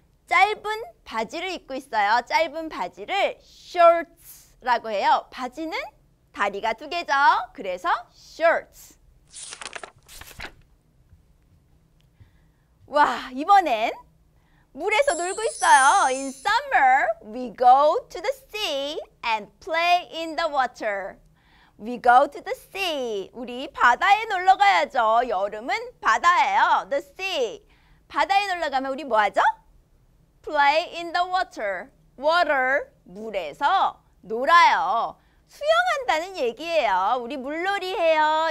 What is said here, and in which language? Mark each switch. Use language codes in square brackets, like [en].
[ko] 짧은 바지를 입고 있어요. 짧은 바지를 shorts라고 해요. 바지는 다리가 두 개죠. 그래서 shorts. 와, 이번엔 물에서 놀고 있어요. [en] In summer, we go to the sea and play in the water. We go to the sea. [ko] 우리 바다에 놀러 가야죠. 여름은 바다예요. [en] The sea. [ko] 바다에 놀러 가면 우리 뭐 하죠? [en] Play in the water. Water. [ko] 물에서 놀아요. 수영한다는 얘기예요. 우리 물놀이 해요.